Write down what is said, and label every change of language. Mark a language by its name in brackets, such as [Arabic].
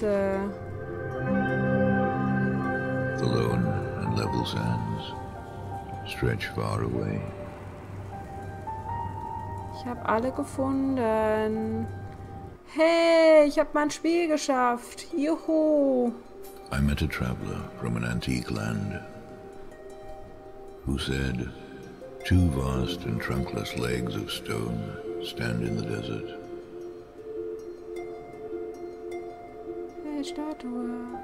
[English] The lone and level sands stretch far away. [German] Ich habe alle gefunden. Hey, ich habe mein Spiel geschafft. Juhu. [English] I met a traveler from an antique land who said, two vast and trunkless legs of stone stand in the desert. [German] Hey, Statue.